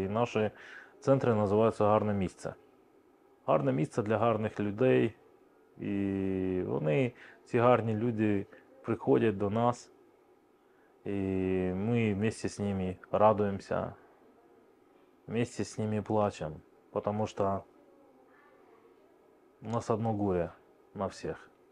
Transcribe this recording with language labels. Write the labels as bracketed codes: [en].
[ru] И наши центры называются «Гарне місце». [uk] Гарне місце для гарних людей. [ru] И [uk] вони, ці гарні люди, приходять до нас, [ru] и мы вместе с ними радуемся, вместе с ними плачем, потому что у нас одно горе на всех.